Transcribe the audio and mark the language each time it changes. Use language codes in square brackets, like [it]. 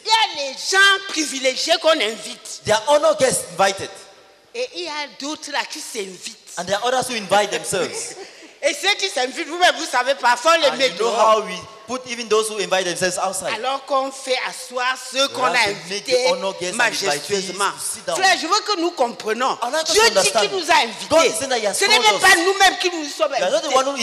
[fr] il y a les gens privilégiés qu'on invite. [en] There are honored guests invited. [fr] Et il y a d'autres là qui s'invitent. [en] And there are others who invite themselves. [fr] Et ceux qui s'invitent, vous-même, vous savez parfois les mettre dehors. [en] You know how we put even those who invite themselves outside. [fr] Alors qu'on fait asseoir ceux qu'on a invités majestueusement. Frère, je veux que nous comprenions. Dieu dit qu'il nous a invités. Ce n'est pas nous-mêmes qui nous sommes invités.